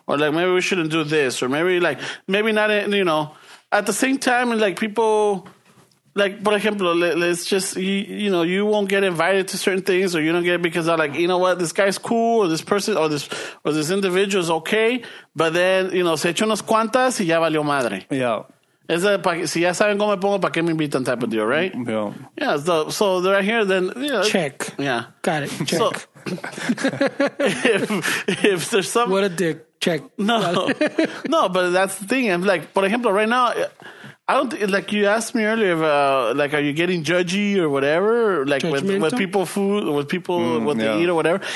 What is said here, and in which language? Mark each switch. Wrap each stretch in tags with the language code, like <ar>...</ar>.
<en>Or like, maybe we shouldn't do this, or maybe like, maybe not, you know, at the same time, like, people, like, for example, let's just, you know, you won't get invited to certain things, or you don't get it because they're like, you know what, this guy's cool, or this person, or this individual is okay, but then, you know,</en> <es>se echó unas cuantas y ya valió madre.</es> <en>Yeah.</en> <es>Es si ya saben cómo me pongo, ¿para qué me invitan</es> <en>type of deal, right? Yeah. Yeah, so they're right here, then, you know. Check. Yeah. Got it. Check. So, if there's some. What a dick. Check. No. No, but that's the thing. I'm like, for example, right now. I don't like, you asked me earlier about, like, are you getting judgy or whatever, like with people what they eat or whatever.</en>